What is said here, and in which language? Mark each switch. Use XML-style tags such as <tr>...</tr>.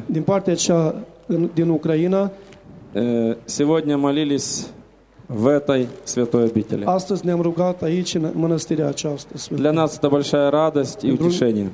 <ro>din partea cea, din Ucraina,</ro> <ru>сегодня молились в этой святой обители.</ru> <ro>Astăzi ne-am rugat aici, în mănăstirea aceasta, sfântă.</ro> <ru>Для нас это большая радость и утешение.</ru>